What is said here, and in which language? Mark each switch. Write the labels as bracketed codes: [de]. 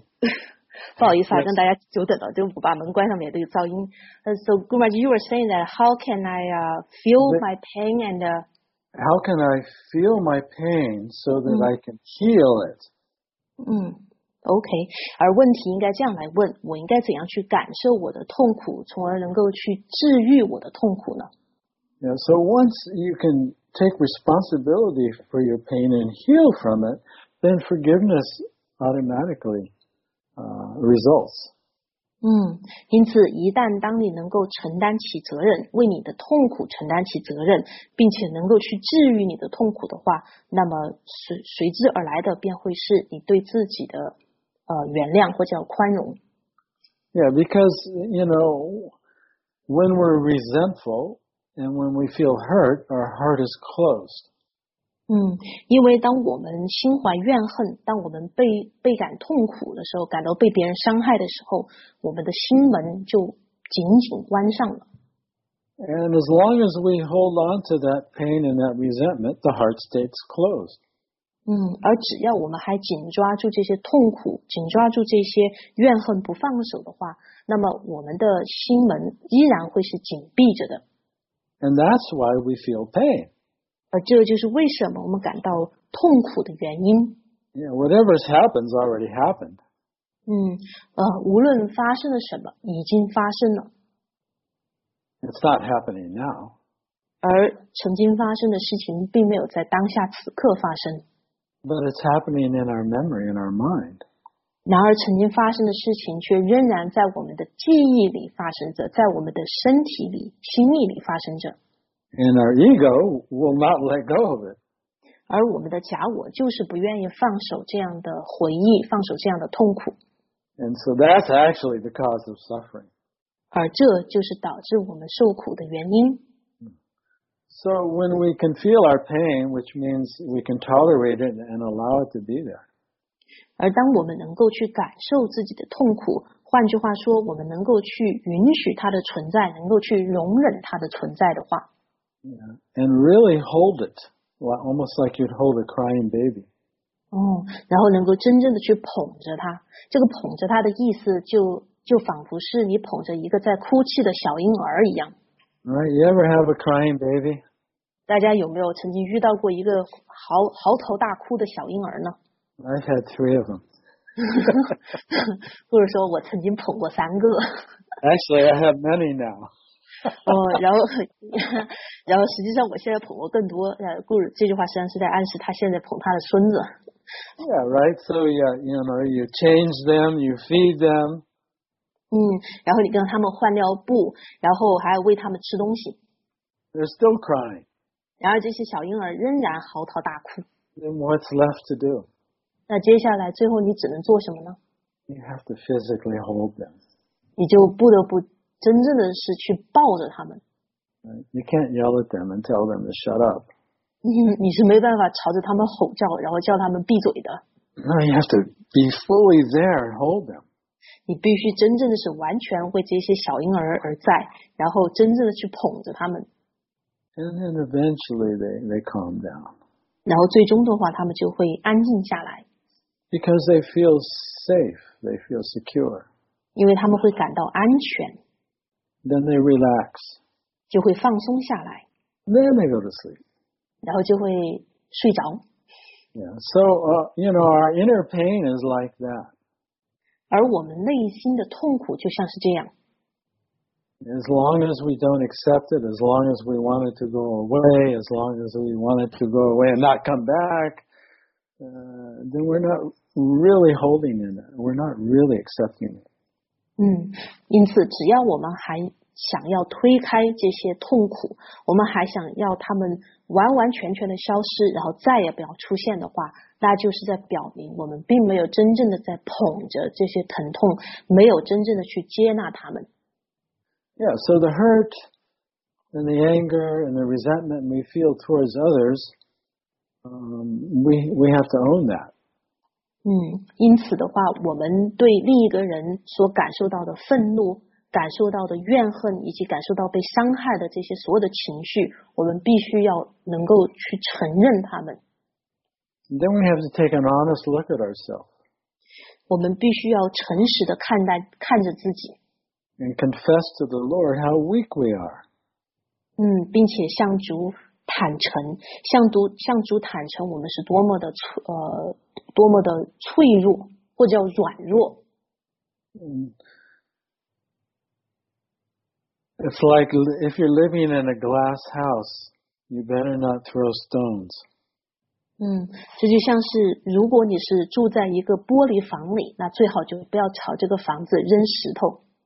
[zh] So, 不好意思啊，让大家久等了，就我把门关上面这个噪音。 [en] So, Gumaj, you were saying that how can I feel my pain and how can I feel my pain so that I can heal it? [zh] OK, 而问题应该这样来问，我应该怎样去感受我的痛苦，从而能够去治愈我的痛苦呢？ [en] Yeah, so once you can take responsibility for your pain and heal from it, then forgiveness automatically results. [zh] 因此一旦当你能够承担起责任，为你的痛苦承担起责任，并且能够去治愈你的痛苦的话，那么 随之而来的便会是你对自己的原谅或叫宽容。 [en] Yeah, because, you know, when we're resentful and when we feel hurt, our heart is closed. [zh] 因为当我们心怀怨恨，当我们倍感痛苦的时候，感到被别人伤害的时候，我们的心门就紧紧关上了。 [en] And as long as we hold on to that pain and that resentment, the heart stays closed. [zh] 而只要我们还紧抓住这些痛苦，紧抓住这些怨恨不放手的话，那么我们的心门依然会是紧闭着的。 [en] And that's why we feel pain. [zh] 而这就是为什么我们感到痛苦的原因。 [en] Yeah, whatever's happened's already happened. [zh] 无论发生了什么，已经发生了。 [en] It's not happening now. [zh] 而曾经发生的事情并没有在当下此刻发生。 [en] But it's happening in our memory, in our mind. [zh] 然而曾经发生的事情却仍然在我们的记忆里发生着，在我们的身体里、心意里发生着。 [en] And our ego will not let go of it. [zh] 而我们的假我就是不愿意放手这样的回忆，放手这样的痛苦。 [en] And so that's actually the cause of suffering. [zh] 而这就是导致我们受苦的原因。 [en] So when we can feel our pain, which means we can tolerate it and allow it to be there. [zh] 而当我们能够去感受自己的痛苦，换句话说，我们能够去允许它的存在，能够去容忍它的存在的话。 [en] Yeah. And really hold it, almost like you'd hold a crying baby. [zh] 然后能够真正的去捧着它，这个捧着它的意思就仿佛是你捧着一个在哭泣的小婴儿一样。 [en] Right, you ever have a crying baby? [zh] 大家有没有曾经遇到过一个嚎啕大哭的小婴儿呢？ [en] I had three of them. [zh] 或者说我曾经捧过三个。 [en] Actually, I have many now. [zh] 然后实际上我现在捧过更多，故事这句话实际上是在暗示他现在捧他的孙子。 [en] Yeah, right, so yeah, you know, you change them, you feed them. [zh] 然后你跟他们换尿布，然后还要喂他们吃东西。 [en] They're still crying. [zh] 然而这些小婴儿仍然嚎啕大哭。 [en] Then what's left to do? [zh] 那接下来最后你只能做什么呢？ [en] You have to physically hold them. [zh] 你就不得不真正的是去抱着他们。 [en] You can't yell at them and tell them to shut up. [zh] 你是没办法朝着他们吼叫，然后叫他们闭嘴的。 [en] No, you have to be fully there and hold them. [zh] 你必须真正的是完全为这些小婴儿而在，然后真正的去捧着他们。 [en] And then eventually they calm down. [zh] 然后最终的话，他们就会安静下来。 [en] Because they feel safe, they feel secure. [zh] 因为他们会感到安全。 [en] Then they relax. [zh] 就会放松下来。 [en] Then they go to sleep. [zh] 然后就会睡着。 [en] Yeah. So, you know, our inner pain is like that. [zh] 而我们内心的痛苦就像是这样。 [en] As long as we don't accept it, as long as we want it to go away, as long as we want it to go away and not come back, then we're not really holding in it. We're not really accepting it. [zh] 因此只要我们还想要推开这些痛苦，我们还想要他们完完全全的消失，然后再也不要出现的话，那就是在表明我们并没有真正的在捧着这些疼痛，没有真正的去接纳他们。 [en] Yeah, so the hurt and the anger and the resentment we feel towards others, we have to own that. [zh] 因此的话，我们对另一个人所感受到的愤怒、感受到的怨恨以及感受到被伤害的这些所有的情绪，我们必须要能够去承认他们。 [en] Then we have to take an honest look at ourselves. [zh] 我们必须要诚实的看着自己。 [en] And confess to the Lord how weak we are. [zh] 并且向主坦诚，向主坦诚，我们是多么的脆弱，或者叫软弱。 [en] It's like if you're living in a glass house, you better not throw stones. [zh] 这就像是如果你是住在一个玻璃房里，那最好就不要朝这个房子扔石头。